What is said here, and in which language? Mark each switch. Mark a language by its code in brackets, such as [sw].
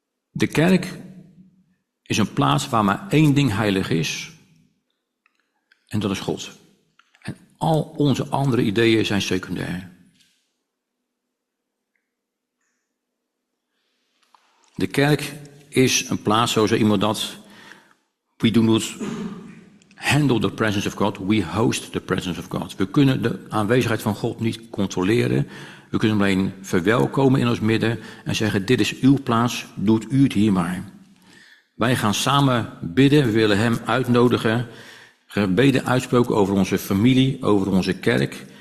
[nl] De kerk is een plaats waar maar één ding heilig is, en dat is God. En al onze andere ideeën zijn secundair. De kerk is een plaats, zoals iemand dat, we doen het. [en] Handle the presence of God, we host the presence of God. [nl] We kunnen de aanwezigheid van God niet controleren. We kunnen hem alleen verwelkomen in ons midden en zeggen, dit is uw plaats, doet u het hier maar. Wij gaan samen bidden, we willen hem uitnodigen. Gebeden uitspoken over onze familie, over onze kerk.